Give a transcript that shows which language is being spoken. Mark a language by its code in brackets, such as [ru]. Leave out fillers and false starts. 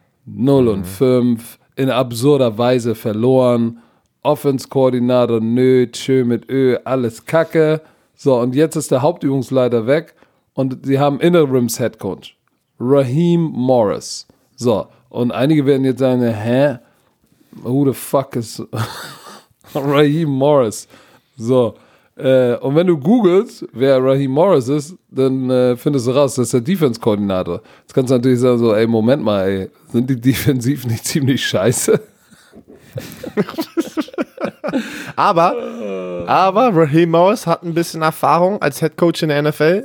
[de] 0-5, in absurder Weise verloren, Offense-Koordinator, nö, tschö mit Ö, alles kacke. So, und jetzt ist der Hauptübungsleiter weg und sie haben Interims Head Coach Raheem Morris. So, und einige werden jetzt sagen, hä? [en] Who the fuck is Raheem Morris? [de] So, und wenn du googelst, wer Raheem Morris ist, dann findest du raus, das ist der Defense-Koordinator. Jetzt kannst du natürlich sagen, so, ey, Moment mal, ey, sind die Defensiv nicht ziemlich scheiße? Aber Raheem Morris hat ein bisschen Erfahrung als Head Coach in der NFL.